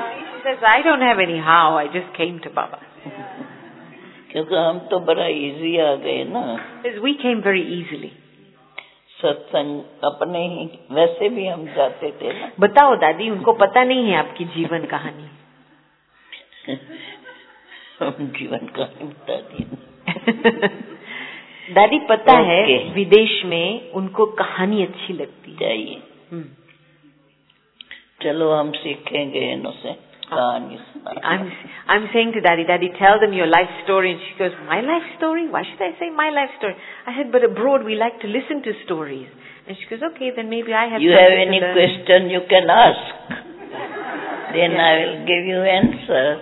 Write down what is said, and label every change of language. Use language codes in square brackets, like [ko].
[en] He says, I don't have any how, I just came to Baba. [hi] क्योंकि हम तो बड़ा इजी आ गए ना. [en] We came very easily. [hi] सत्संग अपने ही वैसे भी हम जाते थे ना. बताओ दादी, उनको पता नहीं है आपकी जीवन कहानी? हम जीवन कहानी बता दी. दादी पता है विदेश में उनको कहानी अच्छी लगती है. चलो हम सीखेंगे इनसे. [en] I'm saying to Daddy, Daddy, tell them your life story. And she goes, my life story? Why should I say my life story? I said, but abroad we like to listen to stories. And she goes, okay, then maybe I have you have any question you can ask. Then yes. I will give you answer.